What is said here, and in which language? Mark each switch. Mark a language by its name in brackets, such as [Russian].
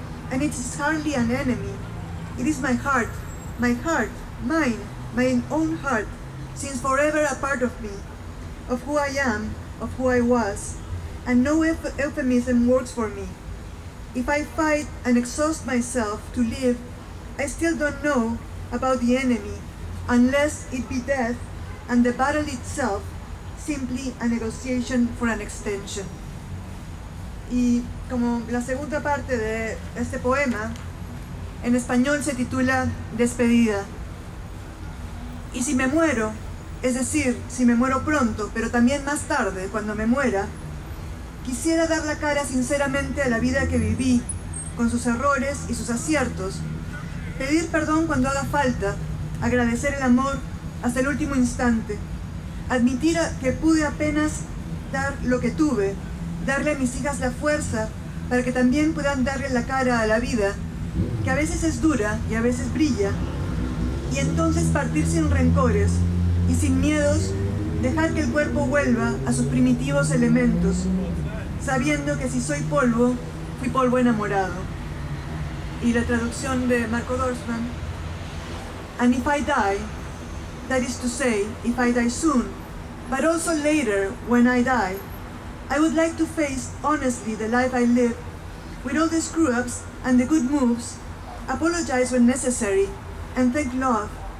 [English] And it is hardly an enemy. It is my heart, mine, my own heart, since forever a part of me, of who I am, of who I was, and no euphemism works for me. If I fight and exhaust myself to live, I still don't know about the enemy, unless it be death, and the battle itself, simply a negotiation for an extension. [Spanish] Y como la segunda parte de este poema, en español se titula Despedida. Y si me muero, es decir, si me muero pronto, pero también más tarde, cuando me muera, quisiera dar la cara sinceramente a la vida que viví, con sus errores y sus aciertos, pedir perdón cuando haga falta, agradecer el amor hasta el último instante, admitir que pude apenas dar lo que tuve, darle a mis hijas la fuerza para que también puedan darle la cara a la vida, que a veces es dura y a veces brilla, y entonces partir sin rencores y sin miedos, dejar que el cuerpo vuelva a sus primitivos elementos, sabiendo que si soy polvo, fui polvo enamorado. Y la traducción de Marco Dorfman. [English] And if I die, that is to say, if I die soon, but also later, when I die, I would like to face honestly the life I live, with all the screw-ups and the good moves, apologize when necessary, and thank love,